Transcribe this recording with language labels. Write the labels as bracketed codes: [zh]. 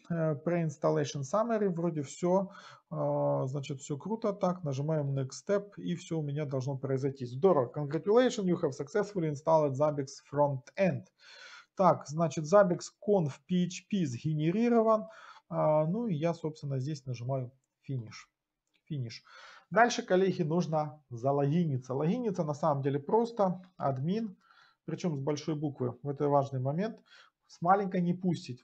[ru] Pre-installation summary, вроде все. Значит, все круто. Так, нажимаем next step, и все у меня должно произойти. Здорово. [en] Congratulations, you have successfully installed Zabbix front-end. [ru] Так, значит, Zabbix conf PHP сгенерирован. Ну и я, собственно, здесь нажимаю finish. [en] Finish. [ru] Дальше, коллеги, нужно залогиниться. Логиниться на самом деле просто. Админ причем с большой буквы, это важный момент, с маленькой не пустить.